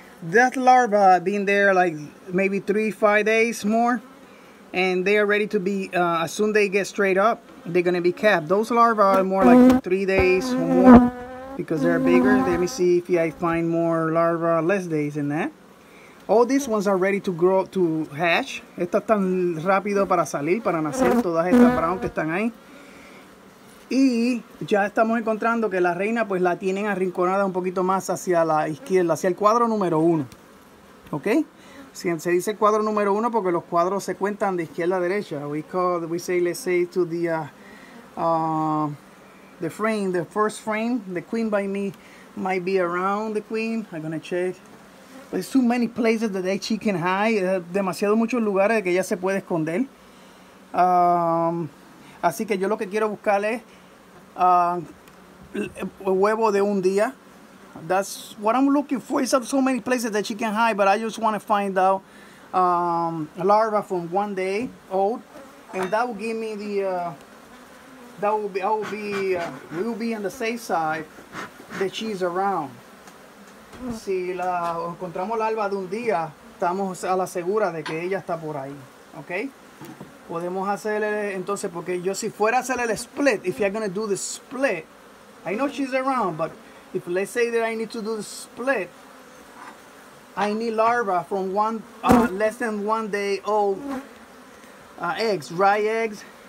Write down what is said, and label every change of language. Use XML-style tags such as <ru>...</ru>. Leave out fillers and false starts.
<en>That larva been there like maybe 3-5 days more. And they are ready to be, as soon as they get straight up, they're going to be capped. Those larvae are more like 3 days or more because they're bigger. Let me see if I find more larvae, less days than that. All these ones are ready to grow, to hatch.</en> <es>Estas están rápido para salir, para nacer, todas estas brown que están ahí. Y ya estamos encontrando que la reina, pues, la tienen arrinconada un poquito más hacia la izquierda, hacia el cuadro número uno. Okay? Se dice cuadro número uno porque los cuadros se cuentan de izquierda a derecha.</es> <en>Let's say to the frame, the first frame, the queen by me might be around the queen. I'm gonna check. There's too many places that she can hide.</en> <es>Demasiado muchos lugares que ella se puede esconder. Así que yo lo que quiero buscar es huevo de un día.</es> <en>That's what I'm looking for. It's so many places that she can hide, but I just want to find out a larva from 1 day old, and that will give me the we will be on the safe side that she's around.</en> <es>Si la encontramos larva de un día, estamos a la segura de que ella está por ahí.</es> <en>Okay? Podemos hacerle entonces porque yo si fuera a hacer el split, if you're gonna do the split, I know she's around, but if let's say that I need to do the split, I need larva from less than 1 day old eggs, dry eggs.</en>